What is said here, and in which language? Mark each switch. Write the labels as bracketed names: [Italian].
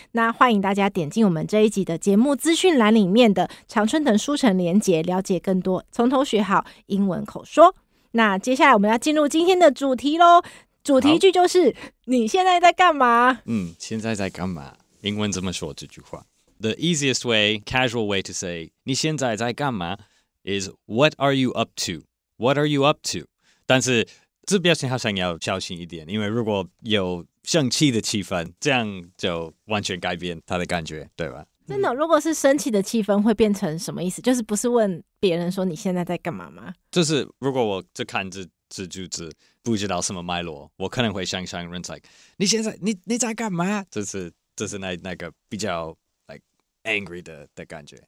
[Chinese] 那欢迎大家点进我们这一集的节目资讯栏里面的常春藤书城连结，了解更多从头学好英文口说。那接下来我们要进入今天的主题咯，主题句就是你现在在干嘛。现在在干嘛，英文怎么说这句话？ [English] The easiest way, casual way to say [Chinese] 你现在在干嘛 [English] is What are you up to? What are you up to? [Chinese] 但是这表情好像要小心一点，因为如果有生气的气氛，这样就完全改变他的感觉，对吧？真的，如果是生气的气氛会变成什么意思？就是不是问别人说你现在在干嘛吗？就是如果我就看这句子不知道什么脉络，我可能会想象人在你现在 你在干嘛，这是 那个比较angry 的感觉。